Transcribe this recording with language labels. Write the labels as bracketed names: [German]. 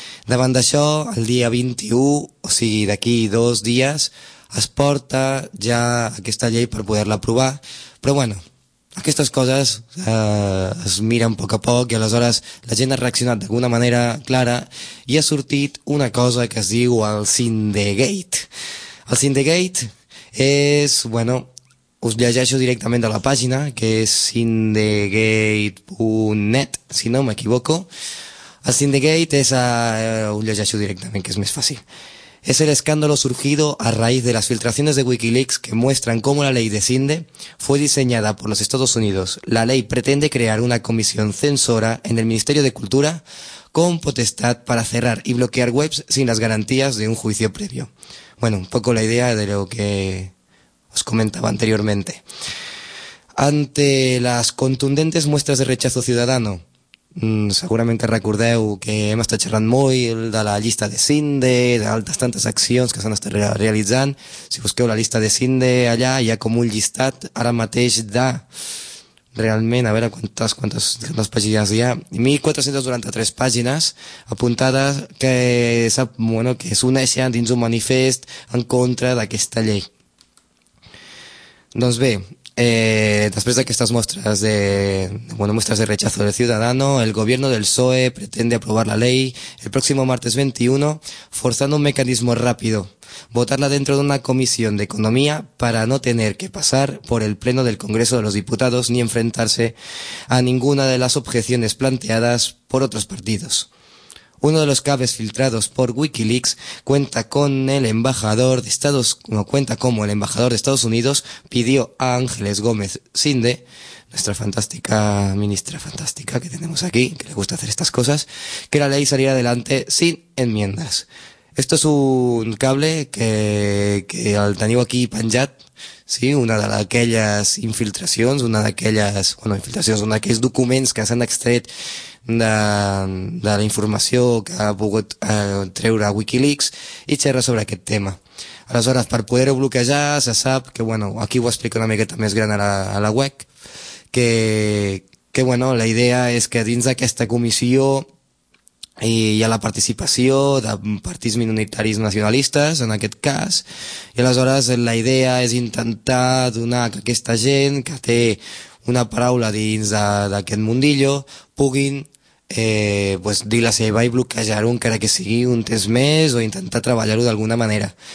[Catalan] Davant d'això, el dia 21, o sigui d'aquí dos dies, es porta ja aquesta llei per poder-la aprovar, però bueno, aquestes coses es miren a poc i aleshores la gent ha reaccionat d'alguna manera clara i ha sortit una cosa que es diu el Cindygate. El Cindygate és, bueno, us llegeixo directament de la pàgina, que és cindygate.net, si no m'equivoco. El Cindygate és, us llegeixo directament, que és més fàcil. [Spanish] Es el escándalo surgido a raíz de las filtraciones de Wikileaks que muestran cómo la ley de Cindy fue diseñada por los Estados Unidos. La ley pretende crear una comisión censora en el Ministerio de Cultura con potestad para cerrar y bloquear webs sin las garantías de un juicio previo. Bueno, un poco la idea de lo que os comentaba anteriormente. Ante las contundentes muestras de rechazo ciudadano, [Catalan] segurament que recordeu que hem estat xerrant molt de la llista de Cindy, d'altres tantes accions que s'han estat realitzant. Si busqueu la llista de Cindy allà, hi ha com un llistat ara mateix de, realment, a veure quantes pàgines hi ha, 1.493 pàgines apuntades que, sap, bueno, que s'uneixen dins un manifest en contra d'aquesta llei. Doncs bé, [Spanish] después de estas muestras muestras de rechazo del ciudadano, el gobierno del PSOE pretende aprobar la ley el próximo martes 21, forzando un mecanismo rápido, votarla dentro de una comisión de economía para no tener que pasar por el pleno del Congreso de los Diputados ni enfrentarse a ninguna de las objeciones planteadas por otros partidos. Uno de los cables filtrados por WikiLeaks cuenta con el embajador de Estados, no, cuenta como el embajador de Estados Unidos pidió a Ángeles Gómez Cindy, nuestra fantástica ministra fantástica que tenemos aquí, que le gusta hacer estas cosas, que la ley saliera adelante sin enmiendas. Esto es un cable que [Catalan] el teniu aquí penjat, sí? Una d'aquelles infiltracions, una d'aquelles, bueno, infiltracions, un d'aquells documents que s'han extret de la informació que ha pogut treure Wikileaks i xerra sobre aquest tema. Aleshores, per poder-ho bloquejar, se sap que, bueno, aquí ho explico una miqueta més gran a la web, que bueno, la idea és que dins d'aquesta comissió i hi ha la participació de partits minoritaris nacionalistes, en aquest cas, i aleshores la idea és intentar donar que aquesta gent que té una paraula dins d'aquest mundillo puguin pues, dir la seva i bloquejar-ho encara que sigui un temps més o intentar treballar-ho d'alguna manera.